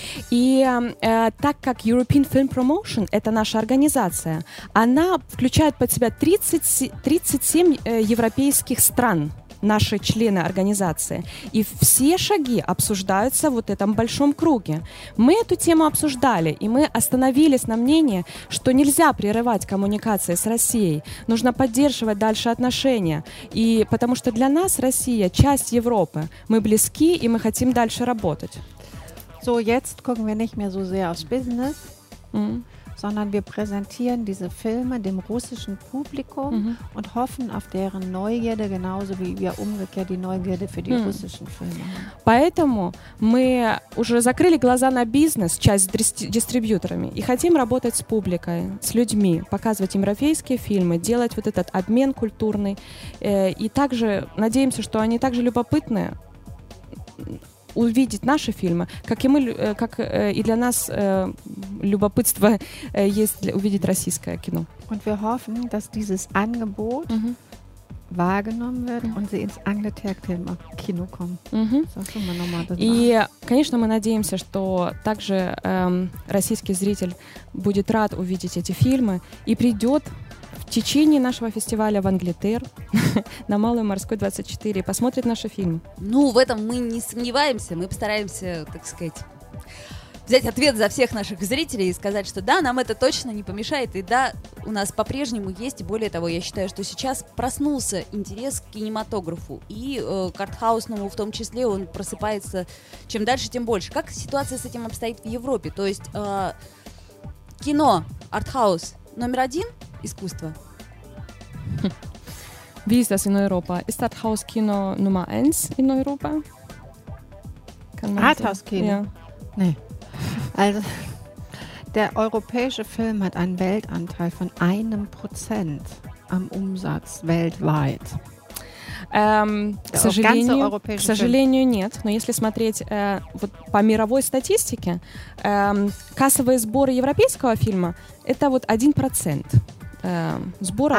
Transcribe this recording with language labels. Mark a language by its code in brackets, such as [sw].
[ru] И так как European Film Promotion — это наша организация, она включает под себя 37 европейских стран. Наши члены организации. И все шаги обсуждаются вот в этом большом круге. Мы эту тему обсуждали, и мы остановились на мнении, что нельзя прерывать коммуникации с Россией. Нужно поддерживать дальше отношения. И потому что для нас Россия — часть Европы. Мы близки, и мы хотим дальше работать. [de] So, jetzt gucken wir nicht mehr so sehr aufs Business, sondern wir präsentieren diese Filme dem russischen Publikum mhm. und hoffen auf deren Neugierde, genauso wie wir umgekehrt die Neugierde für die mhm. russischen Filme haben. [ru] Поэтому мы уже закрыли глаза на бизнес, часть с дистрибьюторами, и хотим работать с публикой, с людьми, показывать им европейские фильмы, делать вот этот обмен культурный. И также надеемся, что они также любопытны увидеть наши фильмы, как и мы, как и для нас любопытство есть для, увидеть российское кино. [de] Und wir hoffen, dass dieses Angebot mhm. wahrgenommen wird mhm. und sie ins Angletärkino kommen. Mhm. Das tun wir nochmal, das и, auch. [ru] Конечно, мы надеемся, что также российский зритель будет рад увидеть эти фильмы и придет в течение нашего фестиваля в Англитер на Малой Морской 24 посмотрит наши фильмы. Ну, в этом мы не сомневаемся, мы постараемся, так сказать, взять ответ за всех наших зрителей и сказать, что да, нам это точно не помешает, и да, у нас по-прежнему есть, более того, я считаю, что сейчас проснулся интерес к кинематографу, и к артхаусному в том числе, он просыпается чем дальше, тем больше. Как ситуация с этим обстоит в Европе? То есть кино, артхаус номер один, искусство. [de] Wie ist das in Europa? Ist Arthouse Kino Nummer 1 in Europa? Arthouse Kino? Ja. Nee. Also, der europäische Film hat einen Weltanteil von 1% am Umsatz weltweit. [ru] К сожалению, нет. Но если смотреть вот по мировой статистике, кассовые сборы европейского фильма — это вот 1% сборов.